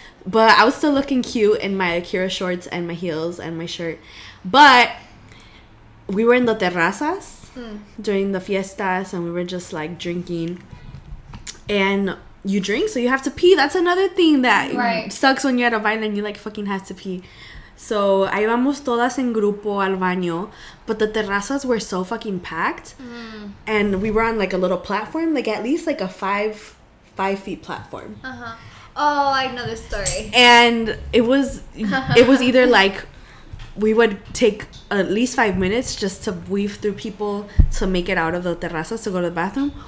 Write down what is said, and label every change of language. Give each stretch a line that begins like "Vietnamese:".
English: But I was still looking cute in my Akira shorts and my heels and my shirt. But we were in the terrazas during the fiestas and we were just, like, drinking. And you drink, so you have to pee. That's another thing that sucks when you're at a violin. You, like, fucking have to pee. So,
Spanish: ahí vamos todas en grupo al baño.
English: But the terrazas were so fucking packed. Mm. And we were on, like, a little platform. Like, at least, like, a 5 feet platform. Uh-huh. Oh, I know this story. And it was either, like, we would take at least 5 minutes just to weave through people to make it out of the terrazas to go to the bathroom.